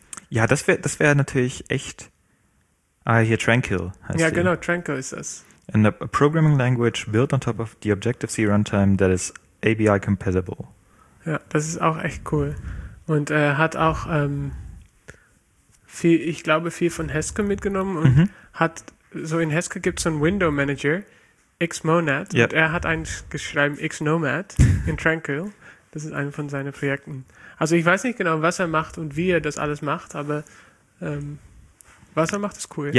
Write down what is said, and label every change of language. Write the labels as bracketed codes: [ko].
[de] Das wäre natürlich echt... Ah, hier Tranquil heißt ja, genau, Tranquil ist das. [en] And a programming language built on top of the Objective-C Runtime that is ABI compatible. [de] Ja, das ist auch echt cool. Und er hat auch viel von Haskell mitgenommen und hat... So in Haskell gibt es so einen Window Manager, Xmonad, yep. Und er hat einen geschrieben, Xnomad, in Tranquil. Das ist ein von seinen Projekten. Also ich weiß nicht genau, was er macht und wie er das alles macht, aber was er macht, ist cool.